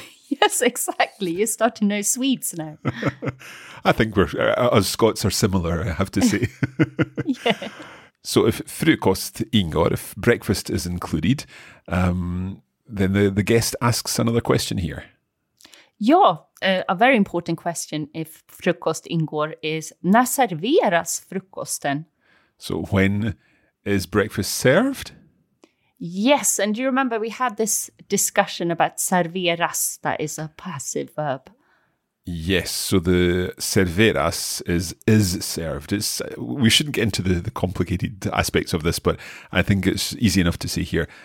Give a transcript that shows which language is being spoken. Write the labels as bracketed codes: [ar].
[en] Yes, exactly. You start to know Swedes now. I think us Scots are similar, I have to say. Yeah. So if [sv] frukost ingår, [en] if breakfast is included, then the guest asks another question here. [sv] Ja, [en] a very important question if [sv] frukost ingår [en] is [sv] när serveras frukosten? [en] So when is breakfast served? Yes, and do you remember we had this discussion about serveras, that is a passive verb. Yes, so the serveras is served. It's, we shouldn't get into the complicated aspects of this, but I think it's easy enough to say here.